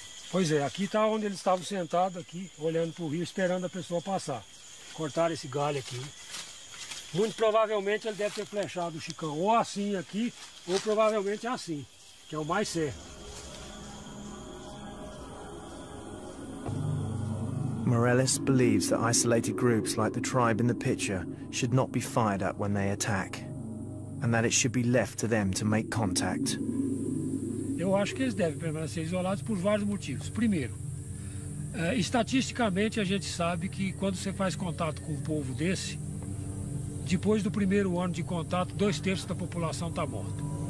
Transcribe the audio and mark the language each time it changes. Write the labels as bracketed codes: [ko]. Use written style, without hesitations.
[pt] Pois é, aqui está onde eles estavam sentados aqui, olhando para o rio, esperando a pessoa passar. Cortaram esse galho aqui. Muito provavelmente ele deve ter flechado o Chicão, ou assim aqui, ou provavelmente assim, que é o mais certo. [en] Morelis believes that isolated groups like the tribe in the picture should not be fired at when they attack, and that it should be left to them to make contact. [pt] Eu acho que eles devem permanecer isolados por vários motivos. Primeiro, estatisticamente a gente sabe que quando você faz contato com um povo desse, depois do primeiro ano de contato, 2/3 da população está morta.